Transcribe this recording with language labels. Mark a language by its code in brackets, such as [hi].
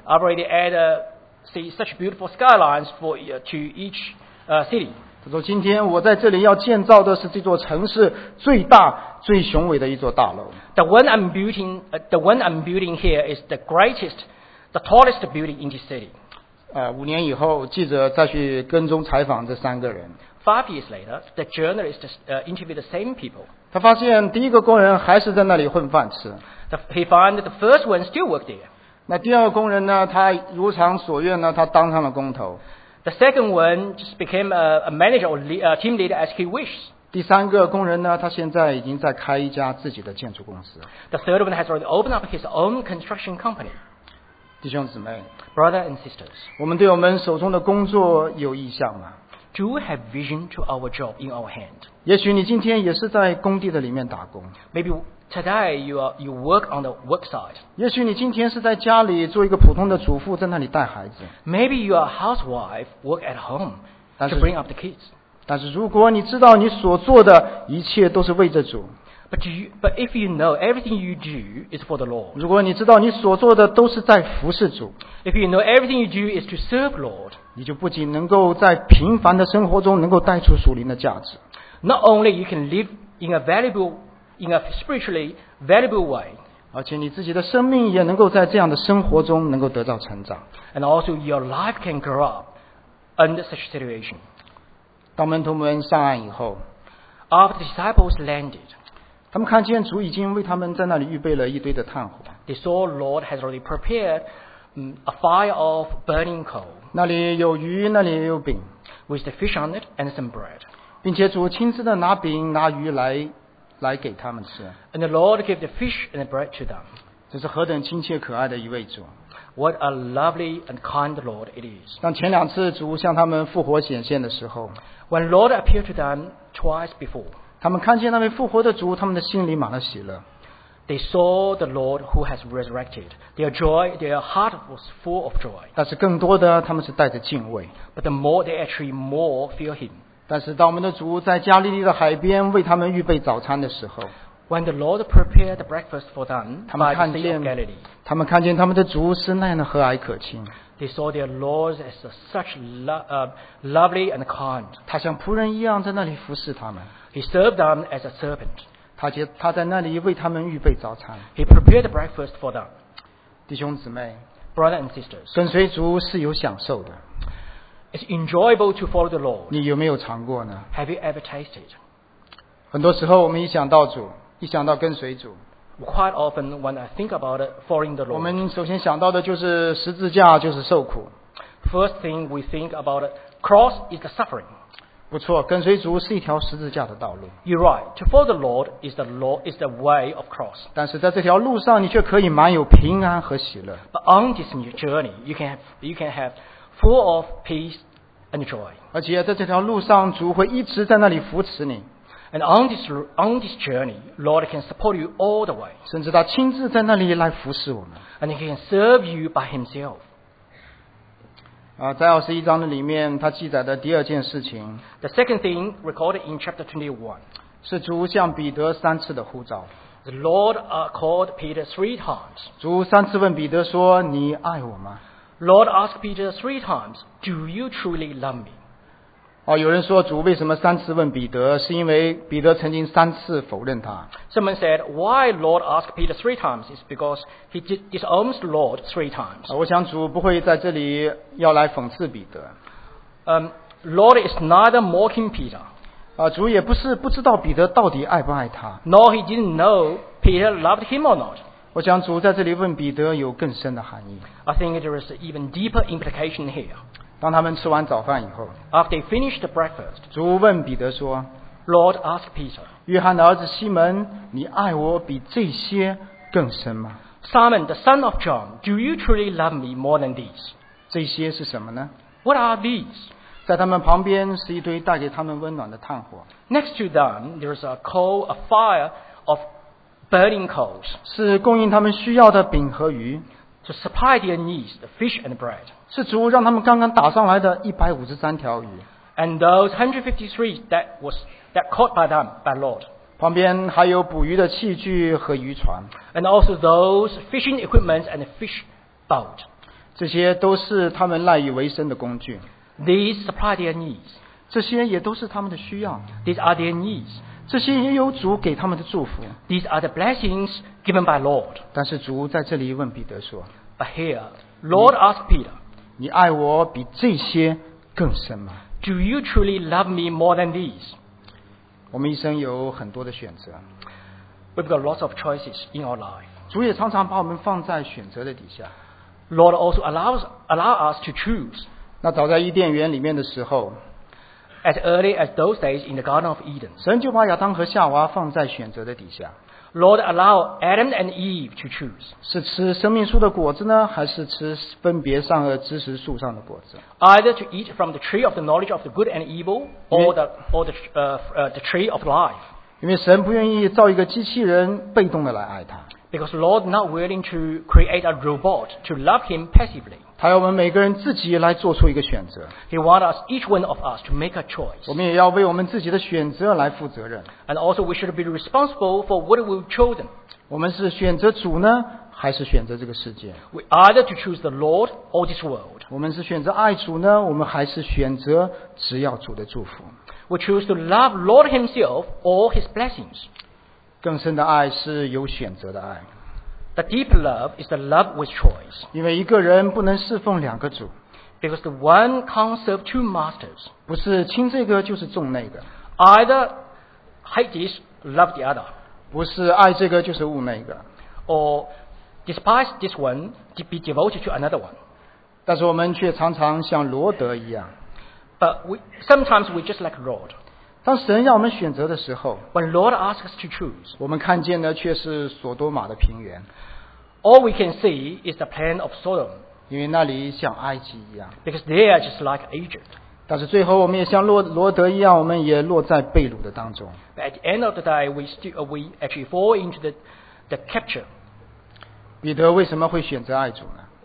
[en] I already added see such beautiful skylines for to each city. [zh] 他说今天我在这里要建造的是这座城市最大最雄伟的一座大楼。 [en] The one I'm building here is the greatest, the tallest building in this city. [zh] 五年以后，记者再去跟踪采访这三个人。 [en] Five years later, the journalist interviewed the same people. [zh] 他发现第一个工人还是在那里混饭吃。 [en] He found that the first one still worked there. [zh] 那第二个工人呢？他如偿所愿呢？他当上了工头。 [en] The second one just became a manager or team leader as he wished. [zh] 第三个工人呢？他现在已经在开一家自己的建筑公司。 [en] The third one has already opened up his own construction company. [zh] 弟兄姊妹 [en] ，Brother and sisters， [zh] 我们对我们手中的工作有意向吗？ [en] Do we have vision to our job in our hand? [zh] 也许你今天也是在工地的里面打工。 [en] Maybe today you work on the work site. [zh] 也许你今天是在家里做一个普通的主妇，在那里带孩子。 [en] Maybe you are a housewife work at home to bring up the kids. [zh] 但是如果你知道你所做的一切都是为着主。 [en] But if you know everything you do is for the Lord. [zh] 如果你知道你所做的都是在服侍主。 [en] If you know everything you do is to serve the Lord. [zh] 你就不仅能够在平凡的生活中能够带出属灵的价值。 [en] Not only you can live in a spiritually valuable way. [zh] 而且你自己的生命也能够在这样的生活中能够得到成长。 [en] And also your life can grow up under such situation. [zh] 当门徒们上岸以后。 [en] After the disciples landed. [zh] 他们看见主已经为他们在那里预备了一堆的炭火。 [en] They saw Lord has already prepared a fire of burning coal. [zh] 那里有鱼，那里也有饼。 [en] With the fish on it and some bread. [zh] 并且主亲自的拿饼拿鱼来给他们吃。 [en] And the Lord gave the fish and the bread to them. [zh] 这是何等亲切可爱的一位主。 [en] What a lovely and kind Lord it is. [zh] 当前两次主向他们复活显现的时候。 [en] When Lord appeared to them twice before. [zh] 他们看见那位复活的主，他们的心里满了喜乐。 [en] They saw the Lord who has resurrected. Their heart was full of joy. [zh] 但是更多的，他们是带着敬畏。 [en] But the more they actually more fear him. [zh] 但是当我们的主在加利利的海边为他们预备早餐的时候 [en] ，When the Lord prepared the breakfast for them by the Sea of Galilee, [zh] 他们看见他们的主是那样的和蔼可亲。 [en] They saw their Lord as such lovely and kind. [zh] 他像仆人一样在那里服侍他们。 [en] He served them as a servant. [zh] 他在那里为他们预备早餐。 [en] He prepared breakfast for them. [zh] 弟兄姊妹 [en] ，Brother and sisters, [zh] 跟随主是有享受的。 [en] It's enjoyable to follow the Lord. [zh] 你有没有尝过呢 [en] ？Have you ever tasted? [zh] 很多时候，我们一想到主，一想到跟随主 [en] ，Quite often when I think about following the Lord, [zh] 我们首先想到的就是十字架，就是受苦。 [en] First thing we think about cross is the suffering. [zh] 不错，跟随主是一条十字架的道路。 [en] You're right. To follow the Lord is the way of cross. [zh] 但是在这条路上，你却可以满有平安和喜乐。 [en] But on this new journey, you can have full of peace and joy. [zh] 而且在这条路上，主会一直在那里扶持你。 [en] And on this journey, Lord can support you all the way. [zh] 甚至他亲自在那里来服侍我们。 [en] And he can serve you by himself. [zh] 在21章的里面，他记载的第二件事情。 [en] The second thing recorded in chapter 21. [zh] 是主向彼得三次的呼召。 [en] The Lord called Peter three times. [zh] 主三次问彼得说，你爱我吗？ [en] Lord asked Peter three times, do you truly love me? [zh] 有人说主为什么三次问彼得，是因为彼得曾经三次否认他。 [en] Someone said, why Lord asked Peter three times is because he disowns Lord three times. [zh] 我想主不会在这里要来讽刺彼得。 [en] Lord is neither mocking Peter. [zh] 主也不是不知道彼得到底爱不爱他。 [en] Nor he didn't know Peter loved him or not. [zh] 我想主在这里问彼得有更深的含义。 [en] I think there is an even deeper implication here. [zh] 当他们吃完早饭以后， [en] After they finished breakfast, [zh] 主问彼得说， [en] Lord asked Peter, [zh] 约翰的儿子西门，你爱我比这些更深吗？ [en] Simon, the son of John, do you truly love me more than these? [zh] 这些是什么呢？ [en] What are these? [zh] 在他们旁边是一堆带给他们温暖的炭火。 [en] Next to them, there is a coal, a fire of burning coals. [zh] 是供应他们需要的饼和鱼。 [en] To supply their needs, the fish and bread. [zh] 是主让他们刚刚打上来的153条鱼。 [en] And those 153 that caught by them, by Lord. [zh] 旁边还有捕鱼的器具和渔船。 [en] And also those fishing equipment and fish boat. [zh] 这些都是他们赖以为生的工具。 [en] These supply their needs. [zh] 这些也都是他们的需要。 [en] These are their needs. [zh] 这些也有主给他们的祝福。 [en] These are the blessings given by Lord. [zh] 但是主在这里问彼得说， [en] But here, Lord asked Peter, [zh] 你爱我比这些更深吗？ [en] Do you truly love me more than these? [zh] 我们一生有很多的选择。 [en] We've got lots of choices in our life. [zh] 主也常常把我们放在选择的底下。 [en] Lord also allows us to choose. [zh] 那早在伊甸园里面的时候， [en] As early as those days in the Garden of Eden, [zh] 神就把亚当和夏娃放在选择的底下。 [en] Lord allowed Adam and Eve to choose. [zh] 是吃生命树的果子呢，还是吃分别善恶知识树上的果子？ [en] Either to eat from the tree of the knowledge of the good and evil, or the tree of life. [zh] 因为神不愿意造一个机器人被动的来爱他。 [en] Because Lord not willing to create a robot to love him passively. [zh] 他要我们每个人自己来做出一个选择。 [en] He wants us, each one of us, to make a choice. [zh] 我们也要为我们自己的选择来负责任。 [en] And also we should be responsible for what we've chosen. [zh] 我们是选择主呢，还是选择这个世界？ [en] We either to choose the Lord or this world. [zh] 我们是选择爱主呢，我们还是选择只要主的祝福？ [en] We choose to love Lord himself or his blessings. [zh] 更深的爱是有选择的爱。 [en] The deep love is the love with choice. [zh] 因为一个人不能侍奉两个主。 [en] Because the one can't serve two masters. [zh] 不是亲这个就是重那个。 [en] Either hate this, love the other. [zh] 不是爱这个就是恶那个。 [en] Or despise this one, be devoted to another one. [zh] 但是我们却常常像罗德一样。 [en] But sometimes we just like Lord. [zh] 当神让我们选择的时候， [en] When Lord asks us to choose, [zh] 我们看见的却是索多玛的平原。 [en] All we can see is the plain of Sodom, [zh] 因为那里像埃及一样。 [en] Because they are just like Egypt. [zh] 但是最后我们也像罗德一样，我们也落在被掳的当中。 [en] But at the end of the day, we actually fall into the capture. [zh] 彼得为什么会选择爱主呢？